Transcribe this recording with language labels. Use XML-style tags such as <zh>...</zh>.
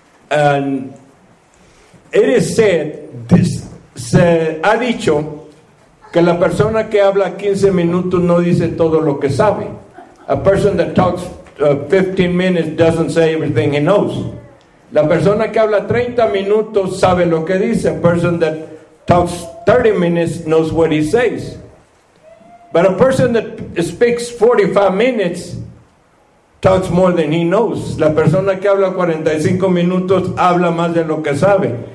<en>And it is said, this</en> <es>se ha dicho que la persona que habla 15 minutos no dice todo lo que sabe.</es> <en>A person that talks 15 minutes doesn't say everything he knows.</en> <es>La persona que habla 30 minutos sabe lo que dice.</es> <en>A person that talks 30 minutes knows what he says. But a person that speaks 45 minutes talks more than he knows.</en> <es>La persona que habla 45 minutos habla más de lo que sabe.</es>